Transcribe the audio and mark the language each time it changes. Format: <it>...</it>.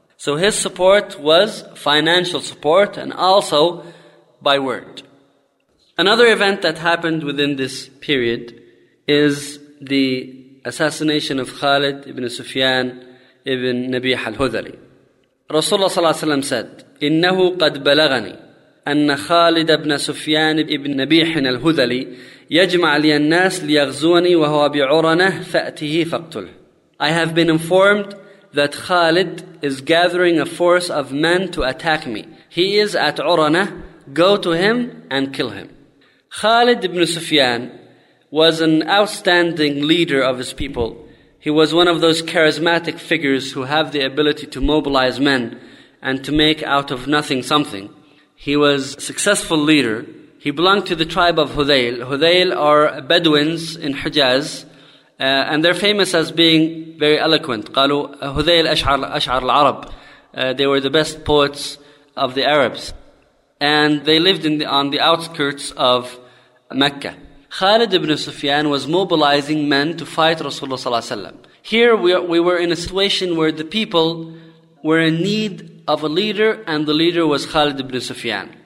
<en>So his support was financial support and also by word. Another event that happened within this period is the assassination of Khalid ibn Sufyan ibn Nabih al-Hudhali. Rasulullah صلى الله عليه وسلم said,</en> <ar>إِنَّهُ قَدْ بَلَغَنِي أن خالد بن سفيان بن نبيح الهذلي يجمع لي الناس ليغزوني وهو بعرنة فأتيه فاقتله.</ar> <en>I have been informed that Khalid is gathering a force of men to attack me. He is at عرنة. Go to him and kill him. Khalid ibn Sufyan was an outstanding leader of his people. He was one of those charismatic figures who have the ability to mobilize men and to make out of nothing something. He was a successful leader. He belonged to the tribe of Hudayl. Hudayl are Bedouins in Hijaz, and they're famous as being very eloquent.</en> <ar>قالوا Hudayl أشعر العرب.</ar> <en>They were the best poets of the Arabs. And they lived on the outskirts of Mecca. Khalid ibn Sufyan was mobilizing men to fight Rasulullah صلى الله عليه وسلم. Here we were in a situation where the people were in need of a leader, and the leader was Khalid ibn Sufyan.</en>